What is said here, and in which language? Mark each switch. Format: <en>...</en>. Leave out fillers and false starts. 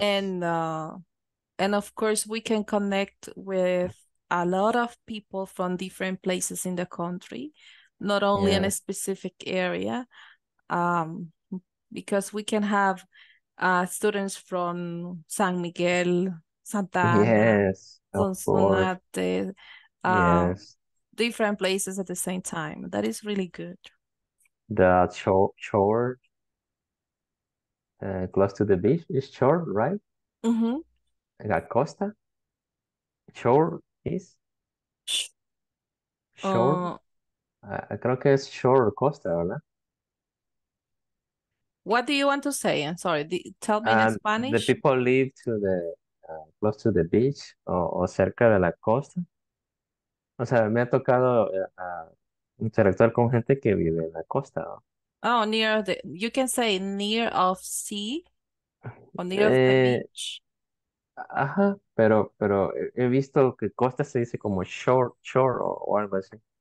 <en>And of course we can connect with a lot of people from different places in the country, not only in a specific area, because we can have students from San Miguel, Santa Ana, yes, Sonsonate, yes. Different places at the same time. That is really good. The shore, close to the beach is shore, right? Mm-hmm. I got Costa. Shore is shore. I</en> <es>creo que es shore costa, ¿verdad?</es> <en>What do you want to say? I'm sorry. Tell me in Spanish. The people live to the close to the beach</en> <es>o cerca de la costa. O sea, me ha tocado interactuar con gente que vive en la costa.</es> <en>Oh, near the. You can say near of sea. On the beach.</en> <es>Ajá, pero he visto que costa se dice como shore o algo así.</es>